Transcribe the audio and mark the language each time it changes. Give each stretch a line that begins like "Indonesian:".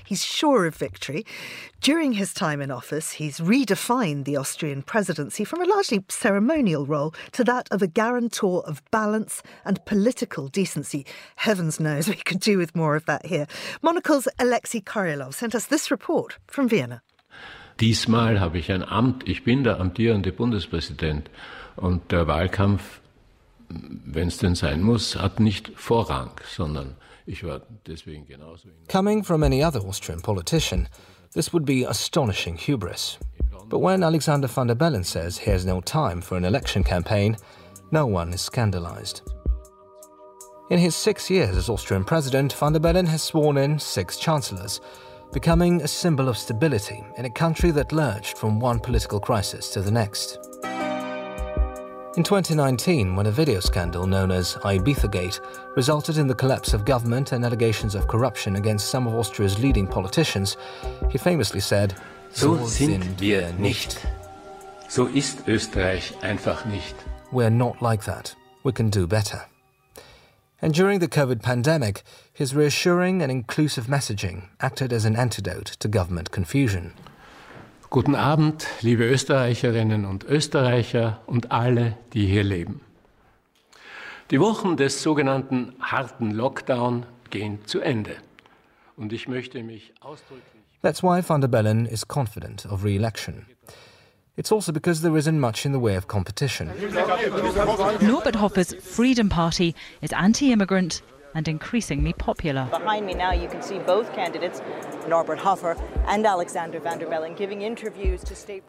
English: He's sure of victory. During his time in office, he's redefined the Austrian presidency from a largely ceremonial role to that of a guarantor of balance and political decency. Heavens knows we could do with more of that here. Monocle's Alexei Korolev sent us this report from Vienna.
German: Diesmal habe ich ein Amt. Ich bin der amtierende Bundespräsident. Und der Wahlkampf, wenn es denn sein muss, hat nicht Vorrang, sondern ich war deswegen genauso.
English: Coming from any other Austrian politician, this would be astonishing hubris. But when Alexander van der Bellen says he has no time for an election campaign, no one is scandalized. In his 6 years as Austrian president, van der Bellen has sworn in 6 chancellors, becoming a symbol of stability in a country that lurched from one political crisis to the next. In 2019, when a video scandal known as Ibizagate resulted in the collapse of government and allegations of corruption against some of Austria's leading politicians, he famously said,
German: "So sind wir nicht. So ist Österreich einfach nicht."
English: We're not like that. We can do better. And during the COVID pandemic, his reassuring and inclusive messaging acted as an antidote to government confusion.
German: Guten Abend, liebe Österreicherinnen und Österreicher und alle, die hier leben. Die Wochen des sogenannten harten Lockdown gehen zu Ende. Und ich möchte mich ausdrücklich...
English: That's why van der Bellen is confident of re-election. It's also because there isn't much in the way of competition. Norbert Hofer's Freedom Party is anti-immigrant and increasingly popular. Behind me now you can see both candidates, Norbert Hofer and Alexander van der Bellen, giving interviews to state...